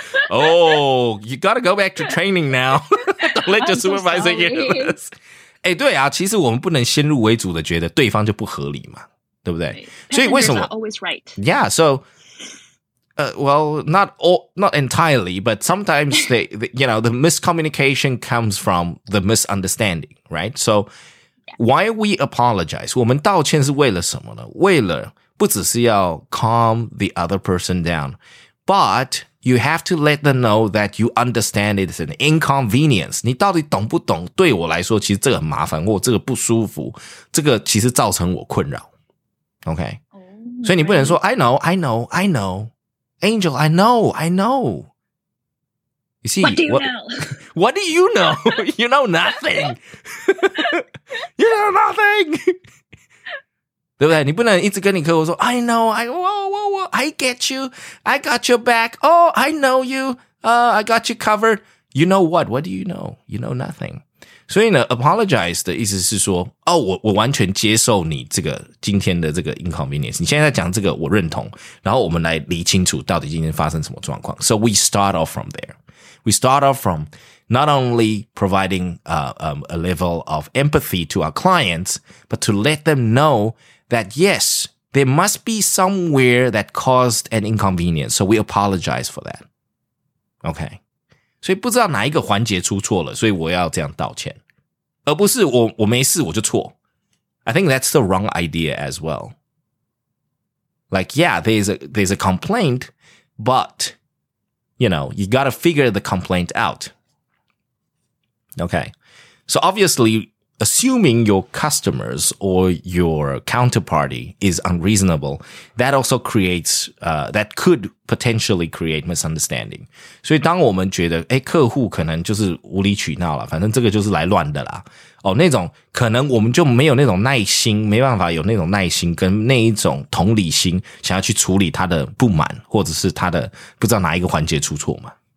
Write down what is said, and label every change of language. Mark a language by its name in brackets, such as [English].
[English] Oh, you gotta go back to training now. Don't let your supervisor hear this. [Chinese] 欸，对啊，其实我们不能先入为主的觉得对方就不合理嘛，对不对？所以为什么 [English] always right? Yeah, so, well, not entirely, but sometimes the miscommunication comes from the misunderstanding, right? So, why we apologize? [Chinese] 我们道歉是为了什么呢？为了不只是要 [English] calm the other person down, but you have to let them know that you understand it's an inconvenience. [Chinese] 你到底懂不懂？对我来说，其实这个很麻烦，或这个不舒服，这个其实造成我困扰。 [English] Okay? Oh, [Chinese] 所以你不能说 [English] I know, I know, I know. Angel, I know, I know. You see, what do you know? You know nothing. You know nothing. [Chinese] 对不对？你不能一直跟你客户说 [English] I know, I get you, I got your back, oh, I know you, I got you covered. You know what? What do you know? You know nothing. [Chinese] 所以呢 apologize 的意思是说哦，我完全接受你这个今天的这个 inconvenience， 你现在在讲这个我认同，然后我们来理清楚到底今天发生什么状况。 [English] So we start off from there. We start off from not only providing a level of empathy to our clients, but to let them know that yes, there must be somewhere that caused an inconvenience. So we apologize for that. Okay. [Chinese] 所以不知道哪一个环节出错了，所以我要这样道歉，而不是我没事我就错。 [English] I think that's the wrong idea as well. Like, yeah, there's a complaint, but, you know, you gotta figure the complaint out. Okay. So obviously, assuming your customers or your counterparty is unreasonable, that also creates, that could potentially create misunderstanding. [Chinese] 所以当我们觉得诶客户可能就是无理取闹啦，反正这个就是来乱的啦。哦，那种可能我们就没有那种耐心，没办法有那种耐心跟那一种同理心想要去处理他的不满，或者是他的不知道哪一个环节出错嘛。